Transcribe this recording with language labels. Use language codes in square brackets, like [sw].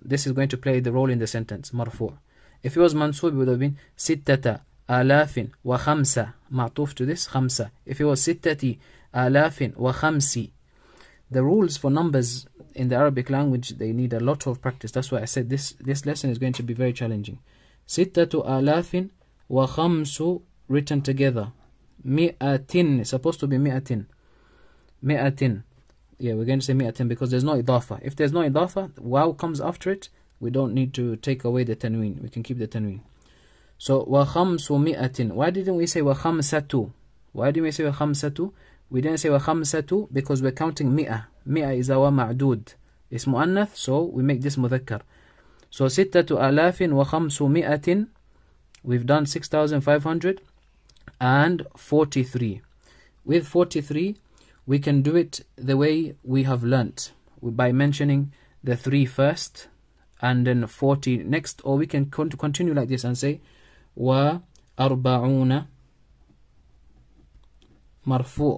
[en] This is going to play the role in the sentence, marfu'. If it was mansub, it would have been ستة آلاف وخمسة. Ma'tuf to this, خمسة. If it was ستة آلاف وخمسي. The rules for numbers in the Arabic language, they need a lot of practice. That's why I said this lesson is going to be very challenging. [ar] ستة آلاف وخمس written together. مئتين. [en] It's supposed to be مئتين. [ar] مئتين. [en] Yeah, we're going to say مئتين because there's no إضافة. If there's no إضافة, واو comes after it. We don't need to take away the تنوين. We can keep the تنوين. [ar] So, وخمس مئتين. [en] Why didn't we say وخمسة؟ Why didn't we say وخمسة؟ We didn't say وَخَمْسَةُ because we're counting مِئَة. مِئَة is our ma'dud. It's mu'annath, so we make this mudhakkar. [ar] So سِتَّةُ أَلَافٍ وَخَمْسُ مِئَةٍ. [en] We've done 6,500 and 43. With 43, we can do it the way we have learnt, by mentioning the 3 first and then 40 next. Or we can continue like this and say وَأَرْبَعُونَ مرفوع.